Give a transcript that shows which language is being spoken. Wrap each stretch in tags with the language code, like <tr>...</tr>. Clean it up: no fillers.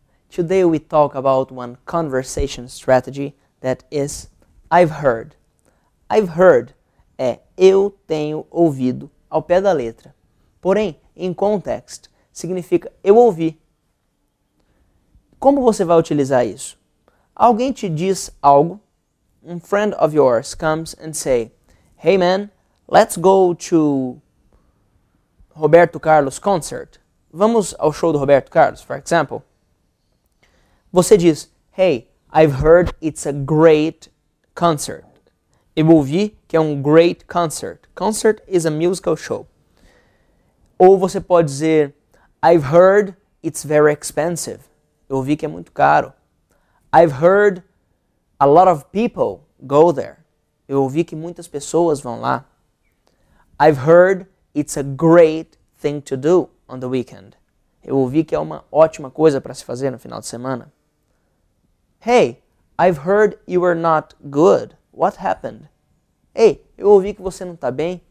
<en>Today we talk about one conversation strategy that is I've heard.</en> <pt>I've heard é eu tenho ouvido ao pé da letra. Porém,</pt> <en>in context,</en> <pt>significa eu ouvi. Como você vai utilizar isso? Alguém te diz algo, um</pt> <en>friend of yours comes and say, hey man, let's go to Roberto Carlos concert.</en> <pt>Vamos ao show do Roberto Carlos,</pt> <en>for example.</en> <pt>Você diz,</pt> <en>hey, I've heard it's a great concert.</en> <pt>Eu ouvi que é um</pt> <en>great concert. Concert is a musical show.</en> <pt>Ou você pode dizer,</pt> <en>I've heard it's very expensive.</en> <pt>Eu ouvi que é muito caro.</pt> <en>I've heard a lot of people go there.</en> <pt>Eu ouvi que muitas pessoas vão lá.</pt> <en>I've heard it's a great thing to do on the weekend.</en> <pt>Eu ouvi que é uma ótima coisa para se fazer no final de semana.</pt> <en>Hey, I've heard you are not good. What happened?</en> <pt>Ei, eu ouvi que você não está bem.</pt>